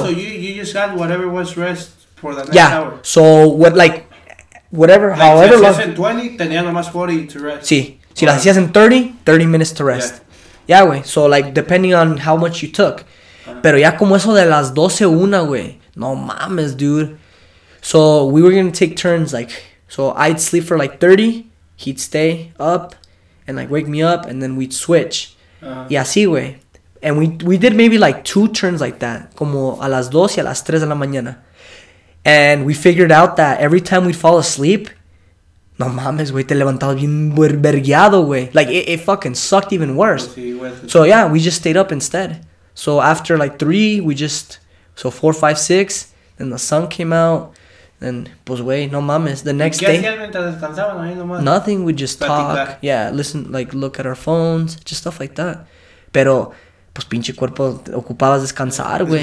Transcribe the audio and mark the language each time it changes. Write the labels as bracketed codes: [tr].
[en] Oh, so you just had whatever was rest for the next hour. So what like, whatever, like, however. [es] Si las hacías en 20, tenía nomás 40 [en] to rest. [es] Sí. Si las hacías en 30, [en] 30 minutes to rest. Yeah, güey. Yeah, so like depending on how much you took. Uh-huh. [es] Pero ya como eso de las 12 una, güey. No mames, dude. [en] So we were going to take turns like, so I'd sleep for like 30. He'd stay up and like wake me up and then we'd switch. [es] Uh-huh. Y así, güey. [en] And we did maybe like 2 turns like that, [es] como a las 2 y a las 3 de la mañana. [en] And we figured out that every time we'd fall asleep, [es] no mames, güey, te levantabas bien vergueado, güey. [en] Like, it fucking sucked even worse. So, yeah, we just stayed up instead. So, after like 3, we just, so 4, 5, 6, then the sun came out. And [es] pues, güey, no mames. [en] The next day, nothing, we just talk. Yeah, listen, like, look at our phones, just stuff like that. [es] Pero, pues pinche cuerpo ocupabas descansar, güey.